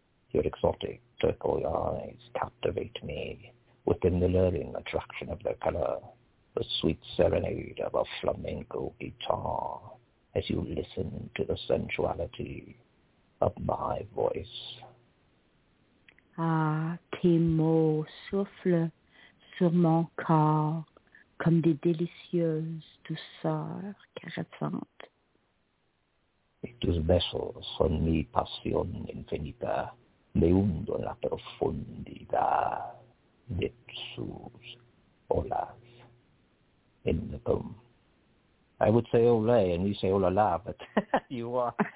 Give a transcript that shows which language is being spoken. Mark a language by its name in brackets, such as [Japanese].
[English] Your exotic turquoise eyes captivate me with the alluring attraction of their color, the sweet serenade of a flamenco guitar, as you listen to the sensuality of my voice. [French] Ah, tes mots soufflent sur mon corps comme des délicieuses douceurs caressantes. [Spanish] Et tus besos son mi pasión infinita, me hundo en la profundidad de sus olas. [English] In the poem. I would say olé, and you say olala, but you are.